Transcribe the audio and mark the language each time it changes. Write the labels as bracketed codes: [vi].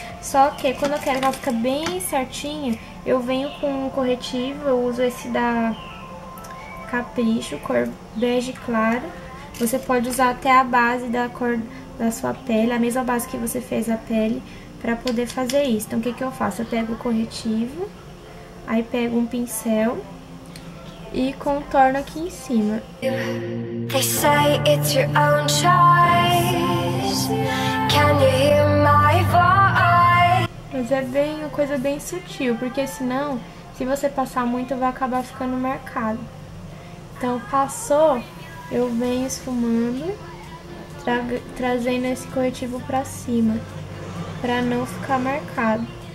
[pt] Só que quando eu quero que ela fique bem certinha, eu venho com um corretivo, eu uso esse da Capricho, cor bege clara. Você pode usar até a base da cor da sua pele, a mesma base que você fez a pele, pra poder fazer isso. Então o que que eu faço? Eu pego o corretivo, aí pego um pincel e contorno aqui em cima. [en] They say it's your own choice. Can you hear my voice? [pt] Mas é bem uma coisa bem sutil, porque senão, se você passar muito, vai acabar ficando marcado. Então passou, eu venho esfumando, trazendo esse corretivo pra cima, pra não ficar marcado.